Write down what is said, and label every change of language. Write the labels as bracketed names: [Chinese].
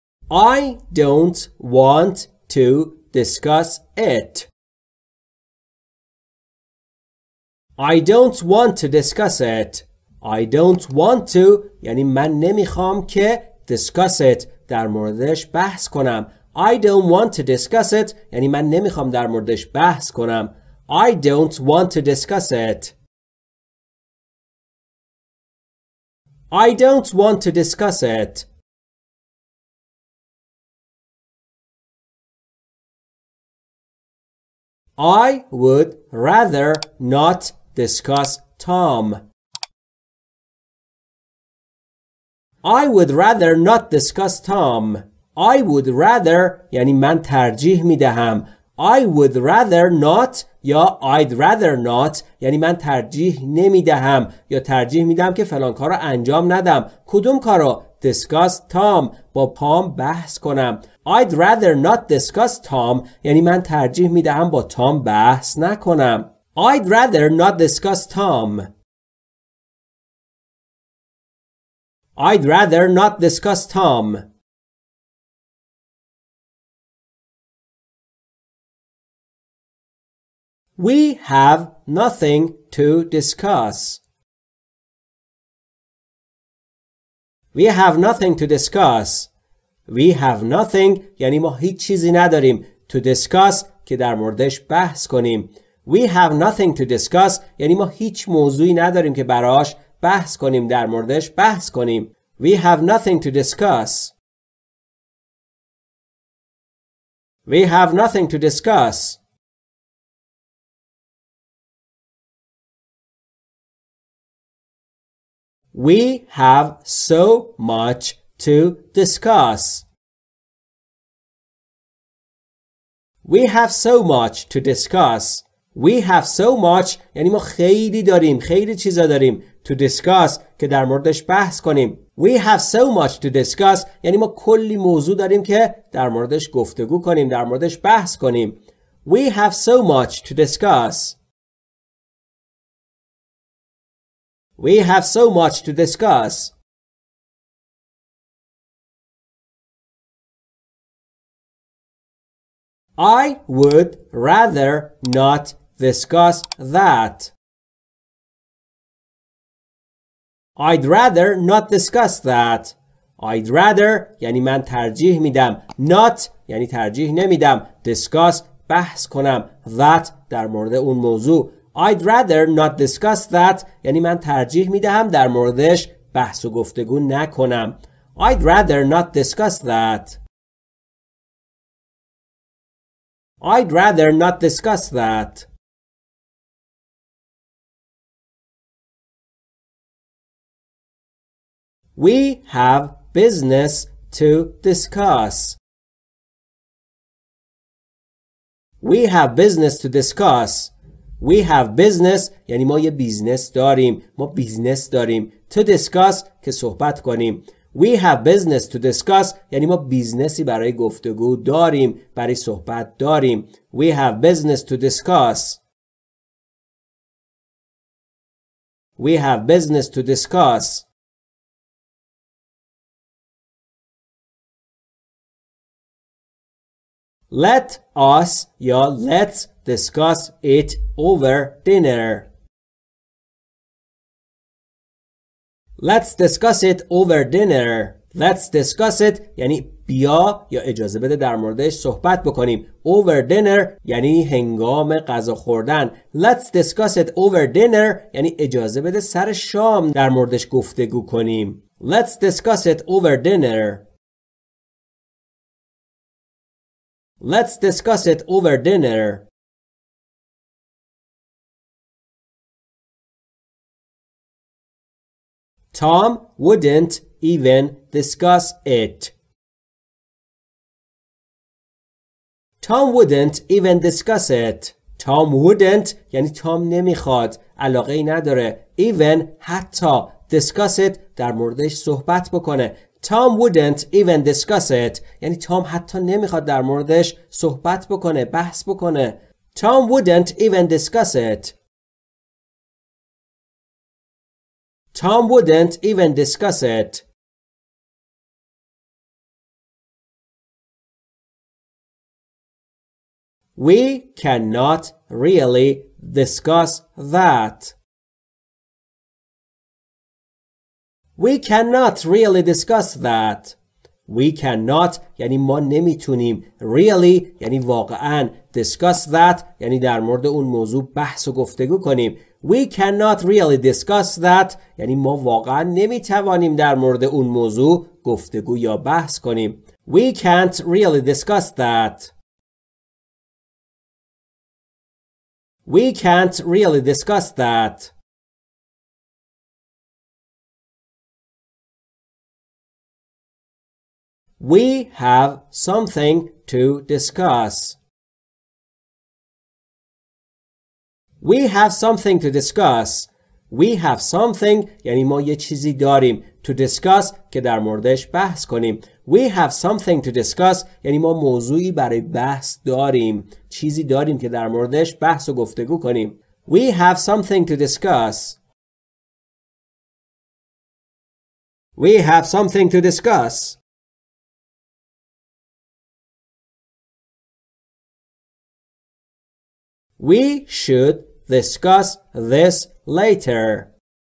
[English] I don't want to discuss it. I don't want to discuss it. I don't want to [Persian] یعنی من نمیخوام که [English] discuss it [Persian] در موردش بحث کنم. [English] I don't want to discuss it [Persian] یعنی من نمیخوام در موردش بحث کنم. [English] I don't want to discuss it. I don't want to discuss it. I would rather not discuss Tom. I would rather not discuss Tom. I would rather [Persian] یعنی من ترجیح می دهم. [English] I would rather not [Persian] یا [English] I'd rather not [Persian] یعنی من ترجیح نمی دهم یا ترجیح می دهم که فلان کارو انجام ندم. کدوم کارو؟ [English] Discuss Tom [Persian] با پام بحث کنم. [English] I'd rather not discuss Tom [Persian] یعنی من ترجیح می دهم با تام بحث نکنم. [English] I'd rather not discuss Tom. I'd rather not discuss Tom. We have nothing to discuss. We have nothing to discuss. We have nothing [Persian] یعنی ما هیچ چیزی نداریم [English] to discuss [Persian] که در موردش بحث کنیم. [English] We have nothing to discuss [Persian] یعنی ما هیچ موضوعی نداریم که براش بحث کنیم در موردش بحث کنیم. [English] We have nothing to discuss. We have nothing to discuss. We have so much to discuss. We have so much to discuss. We have so much [Persian] یعنی ما خیلی داریم، خیلی چیزا داریم [English] to discuss [Persian] که در موردش بحث کنیم. [English] We have so much to discuss [Persian] یعنی ما کلی موضوع داریم که در موردش گفتگو کنیم، در موردش بحث کنیم. [English] We have so much to discuss. We have so much to discuss. I would rather not discuss that. I'd rather not discuss that. I'd rather [Persian] یعنی من ترجیح میدم. [English] Not [Persian] یعنی ترجیح نمیدم. [English] Discuss [Persian] بحث کنم. [English] That [Persian] در مورد اون موضوع. [English] I'd rather not discuss that [Persian] یعنی من ترجیح میدهم در موردش بحث و گفتگو نکنم. [English] I'd rather not discuss that. I'd rather not discuss that. We have business to discuss. We have business to discuss. We have business [Persian] یعنی ما یه بیزنس داریم. ما بیزنس داریم. [English] To discuss [Persian] که صحبت کنیم. [English] We have business to discuss [Persian] یعنی ما بیزنسی برای گفتگو داریم. برای صحبت داریم. [English] We have business to discuss. We have business to discuss. Let us [Persian] یا [English] let's discuss it over dinner. Let's discuss it over dinner. Let's discuss it [Persian] یعنی بیا یا اجازه بده در موردش صحبت بکنیم. [English] Over dinner [Persian] یعنی هنگام غذا خوردن. [English] Let's discuss it over dinner [Persian] یعنی اجازه بده سر شام در موردش گفتگو کنیم. [English] Let's discuss it over dinner. Let's discuss it over dinner. Tom wouldn't even discuss it. Tom wouldn't even discuss it. Tom wouldn't [Persian] یعنی تام نمیخواد، علاقه ای نداره. [English] Even [Persian] حتی [English] discuss it [Persian] در موردش صحبت بکنه. [English] Tom wouldn't even discuss it. [Persian] یعنی تام حتی نمیخواد در موردش صحبت بکنه، بحث بکنه. [English] Tom wouldn't even discuss it. Tom wouldn't even discuss it. We cannot really discuss that. We cannot really discuss that. We cannot [Persian] یعنی ما نمیتونیم [English] really [Persian] یعنی واقعا [English] discuss that [Persian] یعنی در مورد اون موضوع بحث و گفتگو کنیم. [English] We cannot really discuss that [Persian] یعنی ما واقعا نمیتوانیم در مورد اون موضوع گفتگو یا بحث کنیم. [English] We can't really discuss that. We can't really discuss that. We have something to discuss. We have something to discuss. We have something [Persian] یعنی ما یه چیزی داریم [English] to discuss [Persian] که در موردش بحث کنیم. [English] We have something to discuss [Persian] یعنی ما موضوعی برای بحث داریم. چیزی داریم که در موردش بحث و گفتگو کنیم. [English] We have something to discuss. We have something to discuss. We should discuss this later.